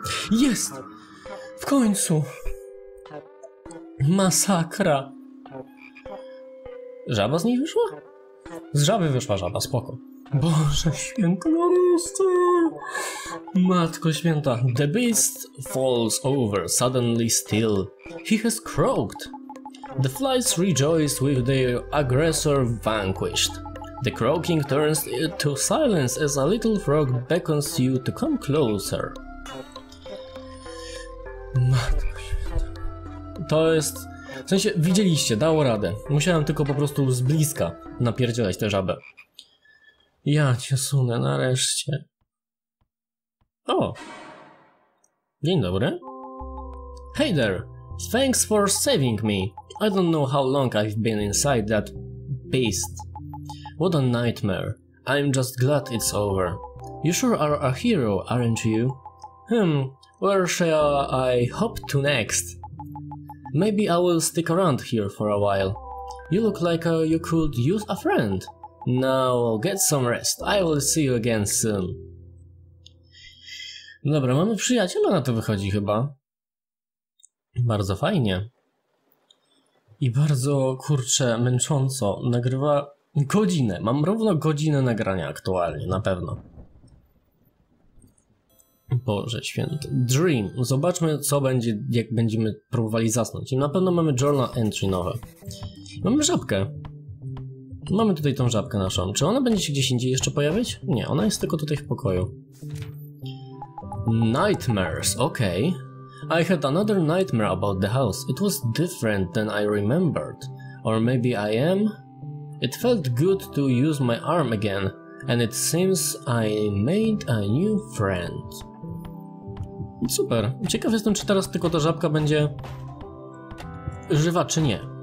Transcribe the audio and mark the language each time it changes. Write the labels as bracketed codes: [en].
[pl] Jest! W końcu! Masakra! Żaba z niej wyszła? Z żaby wyszła żaba, spoko. Boże święty narosty! Matko święta! [en] The beast falls over, suddenly still. He has croaked. The flies rejoice with their aggressor vanquished. The croaking turns to silence as a little frog beckons you to come closer. [pl] Matko święta. To jest... W sensie, widzieliście, dało radę. Musiałem tylko po prostu z bliska napierdzielać tę żabę. Ja cię sunę nareszcie. O! Dzień dobry. [en] Hey there! Thanks for saving me. I don't know how long I've been inside that beast. What a nightmare. I'm just glad it's over. You sure are a hero, aren't you? Where shall I hop to next? Maybe I will stick around here for a while. You look like you could use a friend. Now get some rest. I will see you again soon. [pl] Dobra, mamy przyjaciela, na to wychodzi chyba. Bardzo fajnie. I bardzo, kurczę, męcząco nagrywa godzinę. Mam równo godzinę nagrania aktualnie, na pewno. Boże święty. Dream. Zobaczmy, co będzie, jak będziemy próbowali zasnąć. I na pewno mamy journal entry nowe. Mamy żabkę. Mamy tutaj tą żabkę naszą. Czy ona będzie się gdzieś indziej jeszcze pojawiać? Nie, ona jest tylko tutaj w pokoju. [en] Nightmares, okay. I had another nightmare about the house. It was different than I remembered. Or maybe I am? It felt good to use my arm again. And it seems I made a new friend. Super. [pl] Ciekaw jestem, czy teraz tylko ta żabka będzie żywa, czy nie.